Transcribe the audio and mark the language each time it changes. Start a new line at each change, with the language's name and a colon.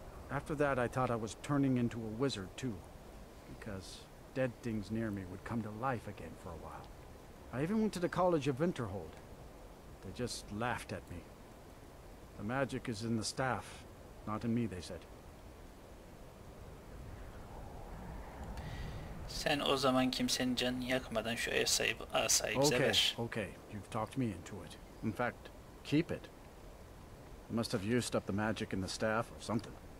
English: After that, I thought I was turning into a wizard too, because dead things near me would come to life again for a while. I even went to the College of Winterhold. They just laughed at me. The magic is in the staff, not in me, they said.
Turkish: Sen o zaman kimsenin canını yakmadan şu asayı bize
English: Okay,
Turkish: ver.
English: okay. You've talked me into it. In fact, keep it. You must have used up the magic in the staff or something.